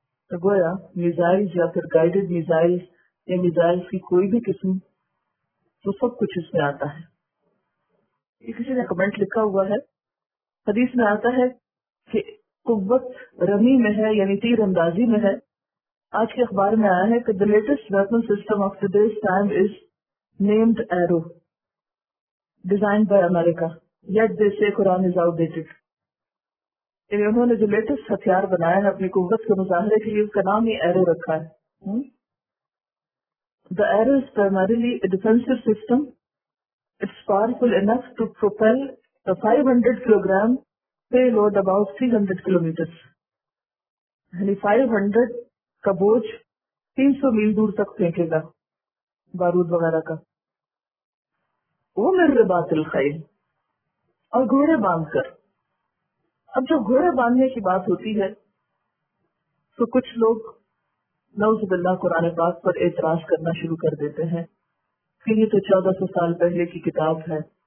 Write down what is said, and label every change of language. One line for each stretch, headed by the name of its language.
Urdu: تو گویا میزائل یا پھر گائیڈڈ میزائل یا میزائل کی کوئی بھی قسم، تو سب کچھ اس میں آتا ہے. یہ کسی نے کمنٹ لکھا ہوا ہے، حدیث میں آتا ہے کہ قوت رمی میں ہے، یعنی تیر اندازی میں ہے. آج کے اخبار میں آیا ہے کہ
English: the latest weapon system of today's time is named arrow designed by America, yet they say Quran is outdated.
Urdu: یعنی انہوں نے جو لیٹسٹ ہتھیار بنایا ہے اپنی قوت کے مظاہرے کے لیے، اس کا نام ہی ایرو رکھا ہے.
English: The arrow is primarily a defensive system. It's powerful enough to propel a 500 kilogram payload about 300 kilometers.
Urdu: یعنی 500 کا بوجھ 300 میل دور تک پھینکے گا بارود وغیرہ کا. وہ مر باطل خیل، اور گھوڑے باندھ کر. اب جو گھوڑے باندھنے کی بات ہوتی ہے تو کچھ لوگ نعوذ باللہ قرآن پاک پر اعتراض کرنا شروع کر دیتے ہیں کہ یہ تو 1400 سال پہلے کی کتاب ہے،